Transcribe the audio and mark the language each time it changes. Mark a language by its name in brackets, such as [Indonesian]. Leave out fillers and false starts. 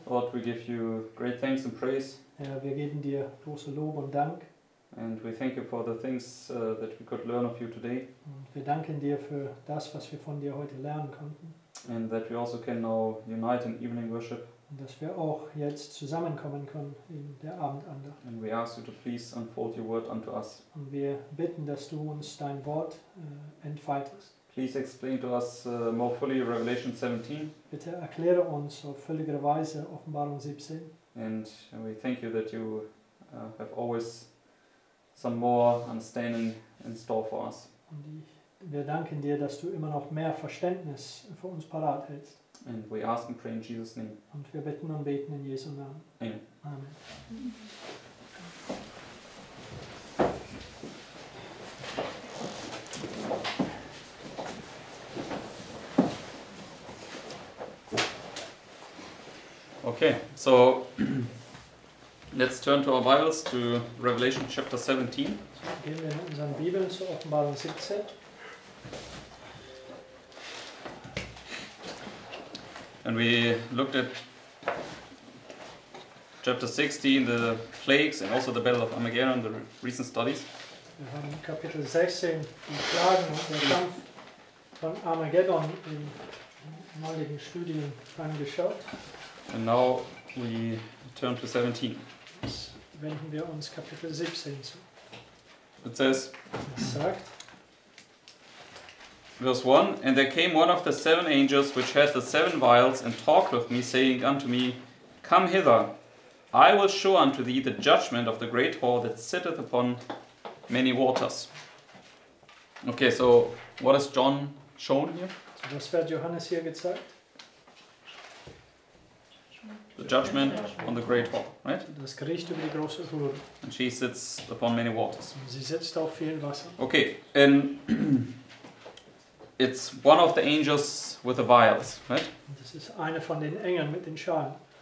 [English] Lord, we give you great thanks and praise. [German] Ja, wir geben dir große Lob und Dank. [English] And we thank you for the things that we could learn of you today. [German] Und wir danken dir für das, was wir von dir heute lernen konnten. [English] And that we also can now unite in evening worship. [German] Und dass wir auch jetzt zusammenkommen können in der Abendandacht. [English] And we ask you to please unfold your word unto us. [German] Und wir bitten, dass du uns dein Wort entfaltest. [English] Please explain to us more fully Revelation 17. [German] Bitte erkläre uns auf völligere Weise Offenbarung 17. [English] And we thank you that you have always some more understanding in store for us. [German] Und wir danken dir, dass du immer noch mehr Verständnis für uns parat hältst. [English] And we ask and pray in Jesus' name. [German] Und wir bitten und beten in Jesu Namen. [English] Amen. [German] Amen. [English] Okay, so let's turn to our Bibles to Revelation chapter 17. [German] Gehen wir in unseren Bibeln zur Offenbarung 17. [English] And we looked at chapter 16, the plagues, and also the battle of Armageddon, the recent studies. [German] Wir haben Kapitel 16, die Plagen und der Kampf von Armageddon in neulichen Studien angeschaut. [English] And now we turn to 17. [German] Wenden wir uns Kapitel 17 zu. [English] It says, [German] es sagt, [English] verse 1, and there came one of the seven angels which had the seven vials and talked with me, saying unto me, come hither, I will show unto thee the judgment of the great whore that sitteth upon many waters. Okay, so what is John shown here? So [German] was wird Johannes hier gezeigt? [English] The judgment on the great whore, right? [German] Das Gericht über die große Hure. [English] And she sits upon many waters. [German] Sie sitzt auf vielen Wasser. [English] Okay, and it's one of the angels with the vials, right? [German] Das ist eine von den Engeln mit den Schalen.